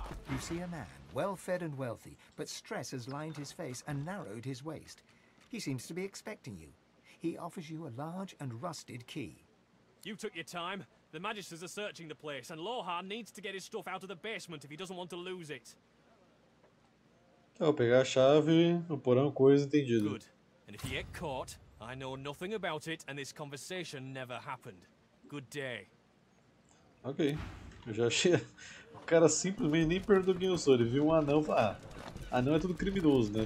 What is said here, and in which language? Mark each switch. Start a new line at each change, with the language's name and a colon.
English: You see a man, well fed and wealthy, but stress has lined his face and narrowed his waist. He seems to be expecting you. He offers you a large and rusted key. You took your time. The magisters are searching the place, and Lohan needs to get his stuff out of the basement if he doesn't want to lose it.
Portuguese: Então, pegar a chave, o porão, coisa, entendido.
English: Good. And if you get caught, I know nothing about it, and this conversation never happened. Good day.
Portuguese: Ok. Eu já achei... O cara simplesmente nem perguntou quem eu sou, ele viu um anão e falou, ah, anão é tudo criminoso, né?